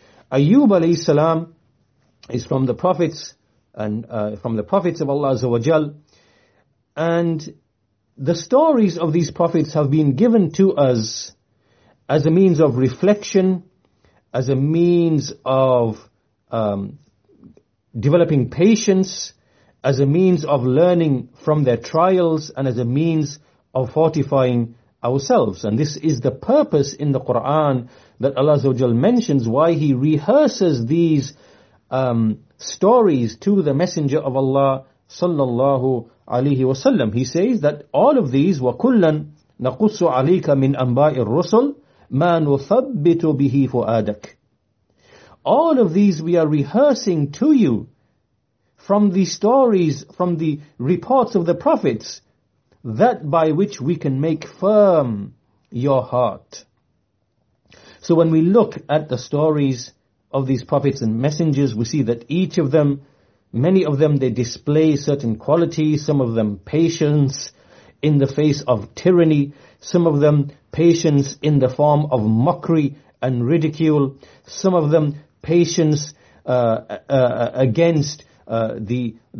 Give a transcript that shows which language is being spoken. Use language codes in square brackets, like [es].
[en] Ayyub alayhi salam is from the prophets and from the prophets of Allah Azza wa Jal, and the stories of these prophets have been given to us as a means of reflection, as a means of developing patience, as a means of learning from their trials, and as a means of fortifying ourselves. And this is the purpose in the Quran that Allah Azza wa Jal mentions, why he rehearses these stories to the Messenger of Allah sallallahu alayhi wa sallam. He says that all of these, [ar] وَكُلًّا نَقُصُ عَلَيْكَ مِنْ أَنْبَاءِ الرُّسُلِ مَا نُثَبِّتُ بِهِ فُؤَادَكَ. [en] All of these we are rehearsing to you from the stories, from the reports of the prophets, that by which we can make firm your heart. So when we look at the stories of these prophets and messengers, we see that each of them, many of them, they display certain qualities, some of them patience in the face of tyranny, some of them patience in the form of mockery and ridicule, some of them patience against the